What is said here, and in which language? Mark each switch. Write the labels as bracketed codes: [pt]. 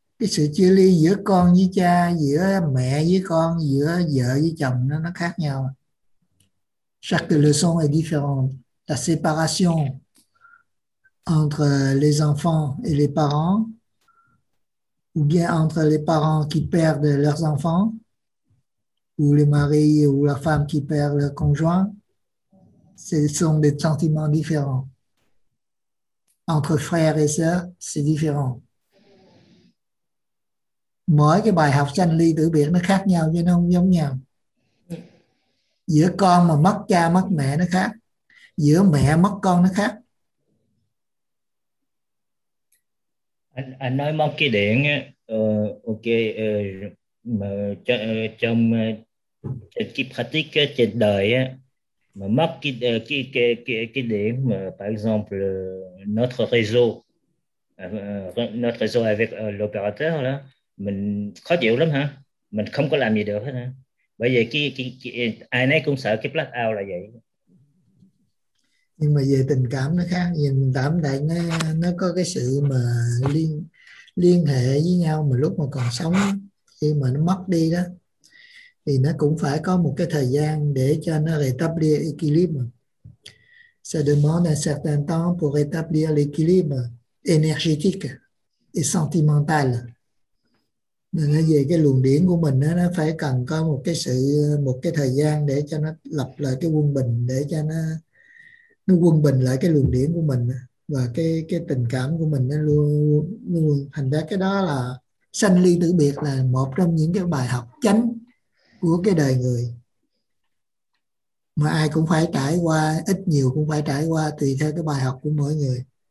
[vi] Cái sự chia ly giữa con với cha, giữa mẹ với con, giữa vợ với chồng nó khác nhau. [fr] Chaque leçon est différente. La séparation entre les enfants et les parents, ou bien entre les parents qui perdent leurs enfants, ou le mari ou la femme qui perd leur conjoint, ce sont des sentiments différents. Entre frères et sœurs, c'est différent. [vi] Mỗi cái bài học sanh ly tử biệt nó khác nhau chứ nó không giống nhau. Giữa con mà mất cha mất mẹ nó khác. Giữa mẹ mất con nó khác. Anh nói mất cái điện á, ok, mà trong cái pratique trên đời á, mà mất cái điện mà [fr] par exemple notre réseau avec l'opérateur là [vi] mình khó chịu lắm hả, mình không có làm gì được hết hả, bởi vì cái ai nấy cũng sợ cái black out là vậy. Nhưng mà về tình cảm nó khác, nhìn tạm đại nó có cái sự mà liên hệ với nhau mà lúc mà còn sống, khi mà nó mất đi đó thì nó cũng phải có một cái thời gian để cho nó [fr] rétablir l'équilibre. Ça demande un certain temps pour rétablir l'équilibre énergétique et sentimental. [vi] Nên về cái luồng điển của mình nó phải cần có một cái sự một cái thời gian để cho nó lập lại cái quân bình, để cho nó quân bình lại cái luồng điển của mình và cái tình cảm của mình nó luôn. Thành ra cái đó là sanh ly tử biệt là một trong những cái bài học chánh của cái đời người mà ai cũng phải trải qua, ít nhiều cũng phải trải qua, tùy theo cái bài học của mỗi người.